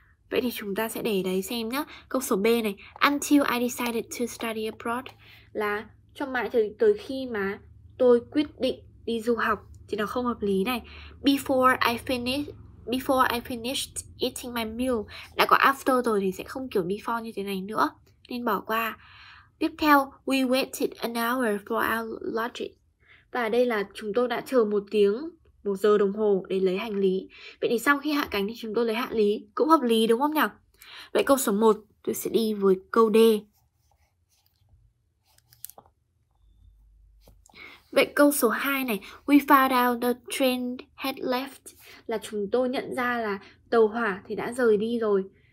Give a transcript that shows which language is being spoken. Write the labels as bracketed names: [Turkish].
[Vietnamese] Vậy thì chúng ta sẽ để đấy xem nhá. Câu số B này, [English] until I decided to study abroad, [Vietnamese] là cho mãi tới khi mà tôi quyết định đi du học, thì nó không hợp lý này. [English] Before I finished eating my meal, [Vietnamese] đã có after rồi thì sẽ không kiểu before như thế này nữa, nên bỏ qua. Tiếp theo, [English] we waited an hour for our luggage. [Vietnamese] Và ở đây là chúng tôi đã chờ một giờ đồng hồ để lấy hành lý. Vậy thì sau khi hạ cánh thì chúng tôi lấy hành lý, cũng hợp lý đúng không nhỉ? Vậy câu số 1, tôi sẽ đi với câu D. Vậy câu số 2 này, [English] we found out the train had left, [Vietnamese] là chúng tôi nhận ra là tàu hỏa thì đã rời đi rồi.